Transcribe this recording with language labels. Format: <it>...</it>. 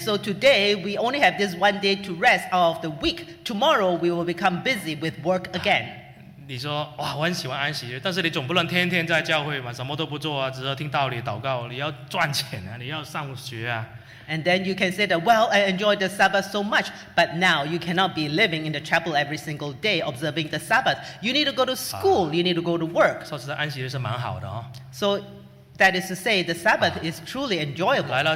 <en>so today we only have this one day to rest out of the week. Tomorrow we will become busy with work again.</en> <zh>你说哇，我很喜欢安息日，但是你总不能天天在教会嘛，什么都不做啊，只是听道理、祷告，你要赚钱啊，你要上学啊。</zh> <en>And then you can say that, well, I enjoy the Sabbath so much, but now you cannot be living in the chapel every single day observing the Sabbath. You need to go to school. You need to go to work.</en> <zh>说实在，安息日是蛮好的哦。</zh> <en>So that is to say, the Sabbath is truly enjoyable.</en>